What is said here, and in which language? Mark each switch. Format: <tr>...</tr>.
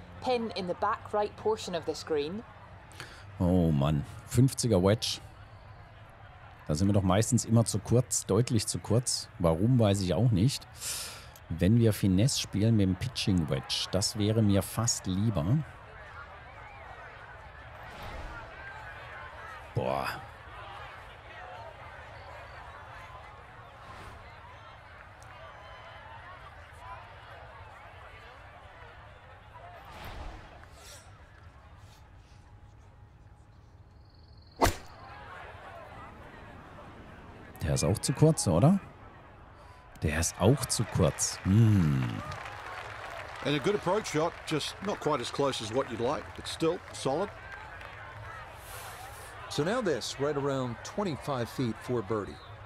<en>Pin in the back right portion of the screen.</en> <de>Oh Mann, 50er Wedge. Da sind wir doch meistens immer zu kurz, deutlich zu kurz. Warum, weiß ich auch nicht. Wenn wir Finesse spielen mit dem Pitching Wedge, das wäre mir fast lieber. Boah. Der ist auch zu kurz, oder? Der ist auch zu kurz.</de> <en>And a good approach shot, just not quite as close as what you'd like, but still solid. So now this, right around 25 feet for birdie.</en>